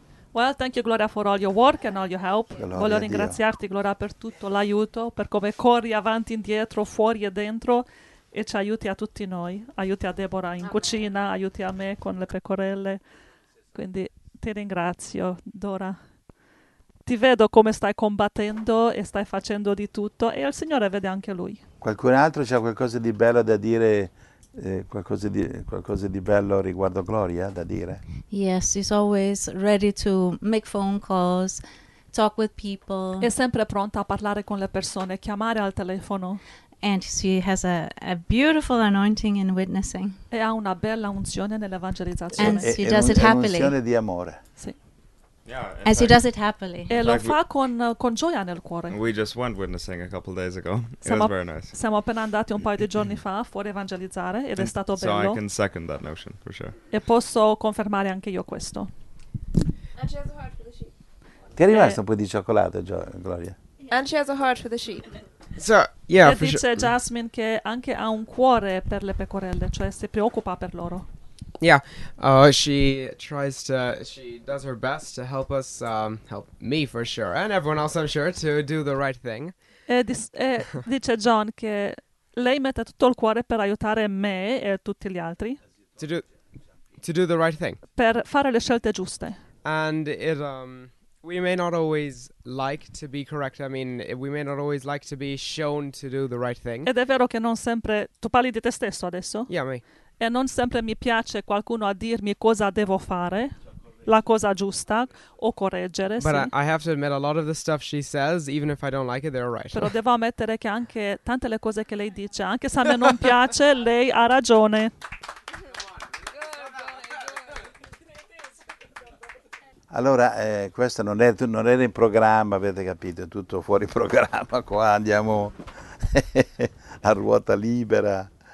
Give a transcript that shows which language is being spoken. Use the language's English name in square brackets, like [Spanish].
[English] Well, thank you, Gloria, for all your work and all your help. [Italian] Voglio ringraziarti, Gloria, per tutto l'aiuto, per come corri avanti, indietro, fuori e dentro, e ci aiuti a tutti noi. Aiuti a Deborah in cucina, aiuti a me con le pecorelle. Quindi ti ringrazio, Dora. Ti vedo come stai combattendo e stai facendo di tutto, e il Signore vede anche lui. Qualcun altro c'ha qualcosa di bello da dire? Qualcosa di bello riguardo Gloria da dire? [English] Yes, she's always ready to make phone calls, talk with people. [Italian] È sempre pronta a parlare con le persone, chiamare al telefono. [English] And she has a beautiful anointing in witnessing. [Italian] E ha una bella unzione nell'evangelizzazione. [English] And she does it happily. [Italian] Un'unzione di amore. Sì. [English] Yeah, and she does it happily. [Italian] E lo fa con gioia nel cuore. [English] We just went witnessing a couple of days ago. It was very nice. [Italian] Siamo appena andati un paio di giorni fa fuori evangelizzare ed è stato bello. [English] So I can second that notion for sure. [Italian] E posso confermare anche io questo. [English] And she has a heart for the sheep. [Italian] Ti è rimasto un po' di cioccolato, Gloria? [English] And she has a heart for the sheep. So, yeah, [Italian] e dice Jasmine che anche ha un cuore per le pecorelle, cioè si preoccupa per loro. [English] Yeah, she does her best to help us, help me for sure, and everyone else, I'm sure, to do the right thing. [Italian] Dice John che lei mette tutto il cuore per aiutare me e tutti gli altri. [English] To do the right thing. [Italian] Per fare le scelte giuste. [English] And it, we may not always like to be correct, I mean, we may not always like to be shown to do the right thing. [Italian] Ed è vero che non sempre, tu parli di te stesso adesso? [English] Yeah, me. [Italian] E non sempre mi piace qualcuno a dirmi cosa devo fare, la cosa giusta, o correggere. [English] But [Italian] sì. [English] I have to admit, a lot of the stuff she says, even if I don't like it, they're right. [Italian] Però devo ammettere che anche tante le cose che lei dice, anche se a me non piace, lei ha ragione. Allora, questo non era in programma, avete capito, è tutto fuori programma qua, andiamo a ruota libera.